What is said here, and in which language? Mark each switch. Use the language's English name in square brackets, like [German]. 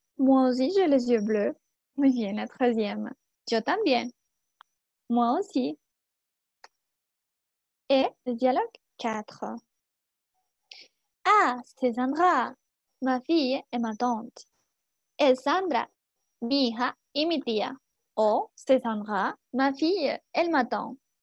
[French] Moi aussi j'ai les yeux bleus. [Spanish] Muy bien, [French] la troisième. [Spanish] Yo también. [French] Moi aussi. Et le dialogue 4. Ah, c'est Sandra, ma fille et ma tante. [Spanish] Es Sandra, mi hija y mi tía. [French] Oh, c'est Sandra, ma fille et ma tante.